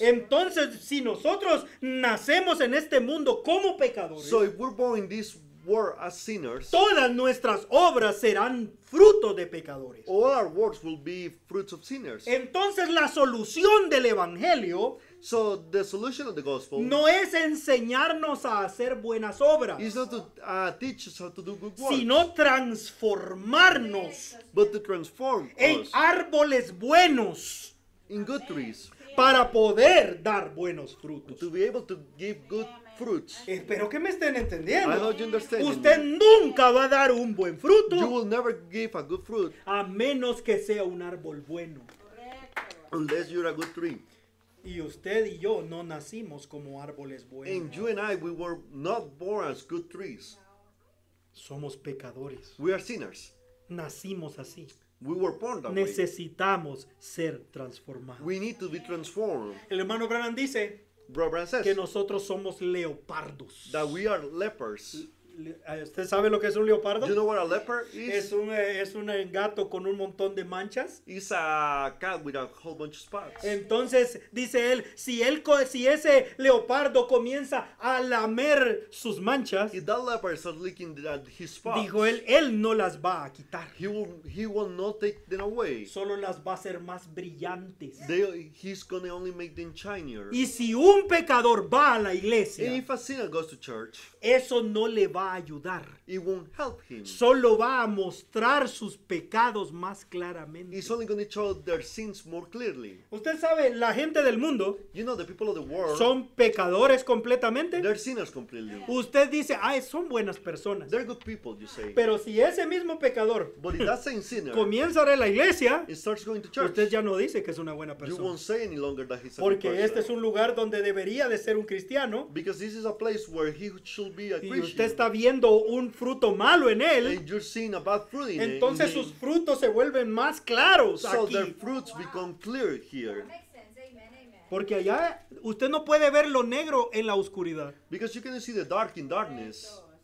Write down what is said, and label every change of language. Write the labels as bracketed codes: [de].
[es] Entonces, si nosotros nacemos en este mundo como pecadores, [en] so if we're born in this world as sinners, [es] todas nuestras obras serán fruto de pecadores. [en] All our works will be fruits of sinners. [es] Entonces, la solución del evangelio, [en] so the solution of the gospel, [es] no es enseñarnos a hacer buenas obras, [en] is not to teach us how to do good works, [es] sino transformarnos, [en] but to transform [es] en [en] us [es] árboles buenos, [en] in good trees, [es] para poder dar buenos frutos. [en] To be able to give good fruits. [es] Espero que me estén entendiendo. [en] I hope you understand. [es] Usted nunca va a dar un buen fruto. [en] You will never give a good fruit. [es] A menos que sea un árbol bueno. [en] Unless you're a good tree. [es] Y usted y yo no nacimos como árboles buenos. [en] And you and I, we were not born as good trees. [es] Somos pecadores. [en] We are sinners. [es] Nacimos así. [en] We were born that [es] necesitamos [en] way. [es] Ser transformados. [en] We need to be transformed. [es] El hermano Branham dice, [en] Bro Branham says, [es] que nosotros somos leopardos. [en] That we are lepers. [es] ¿Usted sabe lo que es un leopardo? [en] Do you know what a leper is? [es] Es un gato con un montón de manchas. [en] It's a cat with a whole bunch of spots. [es] Entonces dice él, si ese leopardo comienza a lamer sus manchas, [en] if that leper starts licking his spots, [es] dijo él no las va a quitar. [en] He will not take them away. [es] Solo las va a hacer más brillantes. [en] He's gonna only make them shinier. [es] Y si un pecador va a la iglesia, [en] and if a sinner goes to church, [es] eso no le va a ayudar. [en] It won't help him. [es] Solo va a mostrar sus pecados más claramente. [en] It's only going to show their sins more clearly. [es] Usted sabe, la gente del mundo, [en] you know, the people of the world, [es] son pecadores completamente. [en] They're sinners completely. [es] Usted dice, ay, son buenas personas. [en] They're good people, you say. [es] Pero si ese mismo pecador, [en] but if that same sinner, [es] comienza a ir a la iglesia, [en] it starts going to church, [es] usted ya no dice que es una buena persona. [en] You won't say any longer that he's a [es] porque [en] good person. [es] Este es un lugar donde debería de ser un cristiano. [en] Because this is a place where he should be a Christian. [es] Y usted está viendo un fruto malo en él, entonces sus frutos se vuelven más claros [en] so [es] aquí. [en] Their fruits become clear here. [es] Porque allá usted no puede ver lo negro en la oscuridad. [en] Because you can see the dark in darkness.